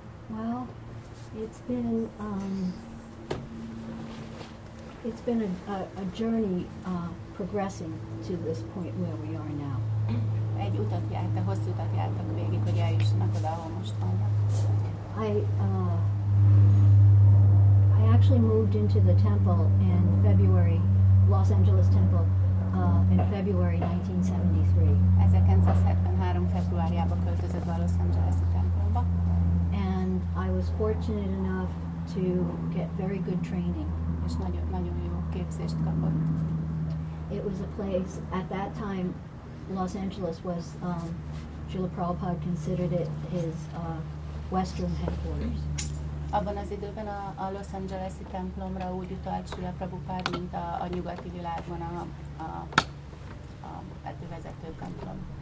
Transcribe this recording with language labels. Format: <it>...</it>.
<en>Well, it's been a journey progressing to this point where we are now.</en> <hu>Egy utat járt, a hosszú utat jártak végig, hogy eljussanak oda, ahol most vannak.</hu> <en>I actually moved into the temple in February, Los Angeles Temple. In February 1973.</en> <hu>Februárjában költözött a Los Angeles-i templomba.</hu> <en>And I was fortunate enough to get very good training.</en> <hu>És nagyon jó képzést kapott.</hu> <en>It was a place at that time. Los Angeles was Srila Prabhupada considered it his Western headquarters.</en> <hu>Abban az időben a Los Angeles-i templomra úgy utalt Srila Prabhupada, mint a nyugati világban a vezető templom.</hu>